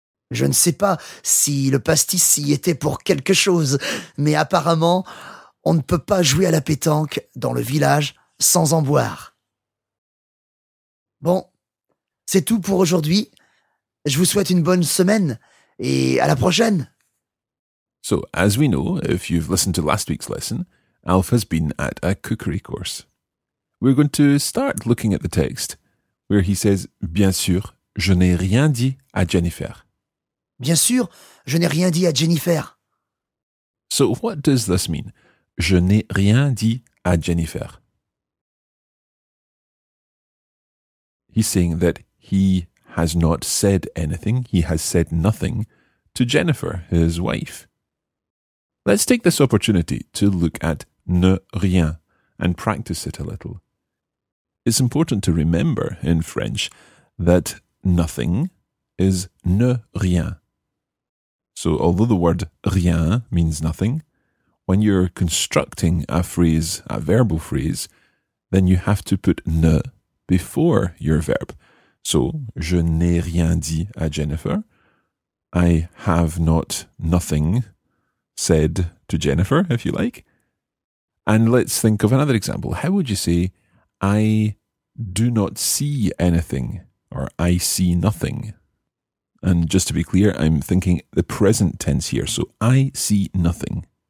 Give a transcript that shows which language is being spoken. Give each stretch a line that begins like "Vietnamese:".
French: Je ne sais pas si le pastis y était pour quelque chose, mais apparemment, on ne peut pas jouer à la pétanque dans le village sans en boire. Bon, c'est tout pour aujourd'hui. Je vous souhaite une bonne semaine et à la prochaine.
English: So, as we know, if you've listened to last week's lesson, Alf has been at a cookery course. We're going to start looking at the text, where he says,
French: bien sûr, je n'ai rien dit à Jennifer. Bien sûr, je n'ai rien dit à Jennifer.
English: So, what does this mean?
French: Je n'ai rien dit à Jennifer.
English: He's saying that he has not said anything, he has said nothing to Jennifer, his wife. Let's take this opportunity to look at ne rien and practice it a little. It's important to remember in French that nothing is ne rien. So although the word rien means nothing, when you're constructing a phrase, a verbal phrase, then you have to put ne before your verb. So,
French: je n'ai rien dit à Jennifer.
English: I have not nothing said to Jennifer, if you like. And let's think of another example. How would you say, I do not see anything, or I see nothing? And just to be clear, I'm thinking the present tense here. So, I see nothing.